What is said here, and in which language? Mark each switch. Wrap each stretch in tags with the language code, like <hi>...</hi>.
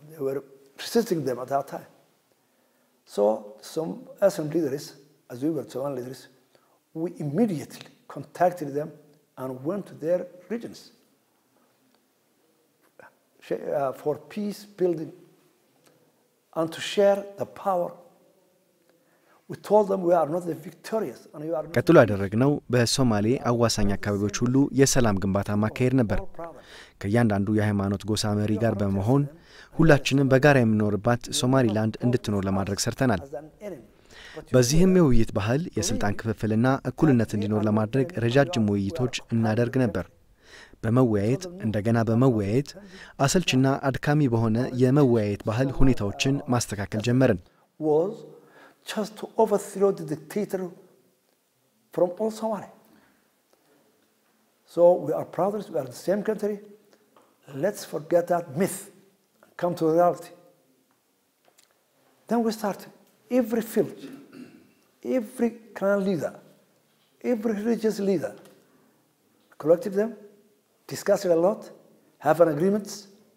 <en>They were resisting them at that time. So some SNM leaders, as we were Somali leaders, we immediately contacted them and went to their regions for peace building and to share the power. We told them we are not the victorious and you are</en> <am>ቀጥሎ ያደረግነው በሶማሌ አዋሳኝ አካባቢዎች ሁሉ የሰላም ግንባታ ማካሄድ ነበር። ከያንዳንዱ የሃይማኖት ጎሳ መሪ ጋር በመሆን ሁላችንም በጋራ የምንኖርባት ሶማሊላንድ እንድትኖር ለማድረግ ሰርተናል። በዚህም የውይይት ባህል የስልጣን ክፍፍልና እኩልነት እንዲኖር ለማድረግ ረጃጅም ውይይቶች እናደርግ ነበር። በመወያየት እንደገና በመወያየት አሰልችና አድካሚ በሆነ የመወያየት ባህል ሁኔታዎችን ማስተካከል ጀመርን።</am> <en>was just to overthrow the dictator from all Somalia. So we are brothers, we are the same country. Let's forget that myth and come to reality. Then we start every field, every clan leader, every religious leader, collected them, discussed a lot, have an agreement.</en>